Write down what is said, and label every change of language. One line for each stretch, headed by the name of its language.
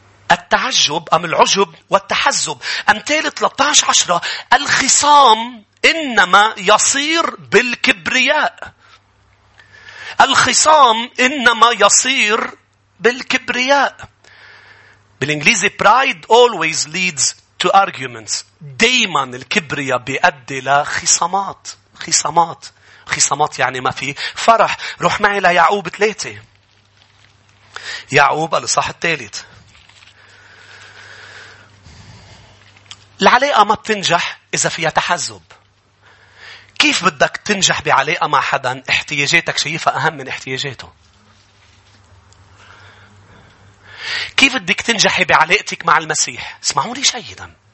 Arabic: التعجب أم العجب والتحزب. أمثال 13:10 الخصام إنما يصير بالكبرياء، الخصام إنما يصير بالكبرياء.
English: بالإنجليزي pride always leads to arguments.
Arabic: دايما الكبرياء بيؤدي لخصامات، خصامات، خصامات يعني ما في فرح. روح معي ليعقوب 3، يعقوب الإصحاح 3. العلاقة ما بتنجح إذا فيها تحزب. كيف بدك تنجح بعلاقة مع حدا احتياجاتك شايفة أهم من احتياجاته؟ كيف بدك تنجحي بعلاقتك مع المسيح؟ اسمعوني جيدا،